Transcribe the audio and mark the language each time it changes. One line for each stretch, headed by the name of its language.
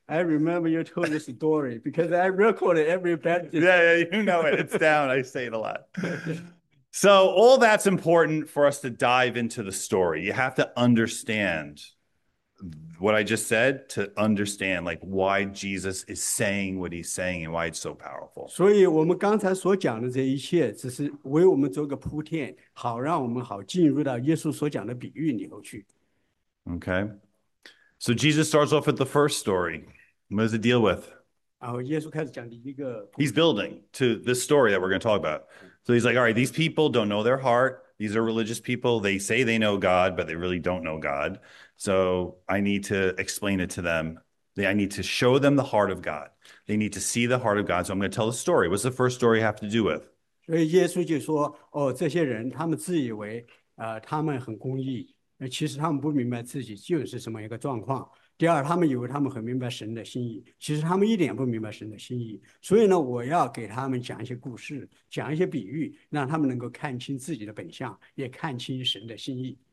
English: I remember you told the story because I recorded every bad. Yeah, you know it. It's down. I say it a lot. So all that's important for us to dive into the story. You have to understand what I just said to understand like why Jesus is saying what he's saying and why it's so powerful.
Chinese: 所以我们刚才所讲的这一切只是为我们做个铺垫，好让我们好进入到耶稣所讲的比喻里头去。
English: Okay. So Jesus starts off with the first story. What does it deal with?
Chinese: 然后耶稣开始讲的一个
English: He's building to this story that we're going to talk about. So he's like, all right, these people don't know their heart. These are religious people. They say they know God, but they really don't know God. So I need to explain it to them. I need to show them the heart of God. They need to see the heart of God. So I'm going to tell a story. What's the first story have to do with?
Chinese: 所以耶稣就说，哦，这些人他们自以为，他们很公义，其实他们不明白自己究竟是什么一个状况。第二，他们以为他们很明白神的心意，其实他们一点不明白神的心意。所以呢，我要给他们讲一些故事，讲一些比喻，让他们能够看清自己的本相，也看清神的心意。